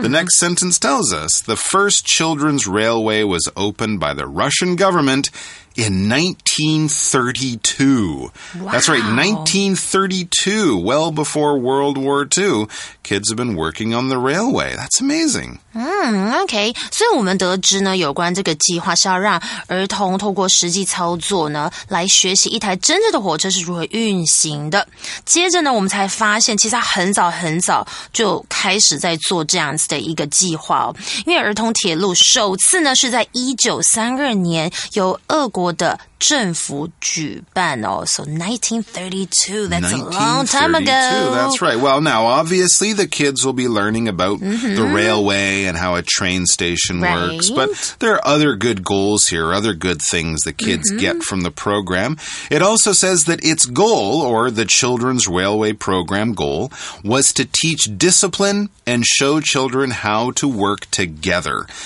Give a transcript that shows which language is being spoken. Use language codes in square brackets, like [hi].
[en] The next sentence tells us the first children's railway was opened by the Russian government in 1932. Wow. That's right, 1932, well before World War II, kids have been working on the railway. That's amazing. Okay. [zh] 所以我们得知呢，有关这个计划是要让儿童透过实际操作呢，来学习一台真正的火车是如何运行的。接着呢，我们才发现其实他很早很早就开始在做这样子的一个计划哦。因为儿童铁路首次呢是在1932年由俄国的政府举办哦。 [en] So 1932, that's a long time ago. That's right. Well, now, obviously, the kids will be learning about、mm-hmm. the railway and how a train station、 right. works. But there are other good goals here, other good things the kids、mm-hmm. get from the program. It also says that its goal, or the Children's Railway Program goal, was to teach discipline and show children how to work together.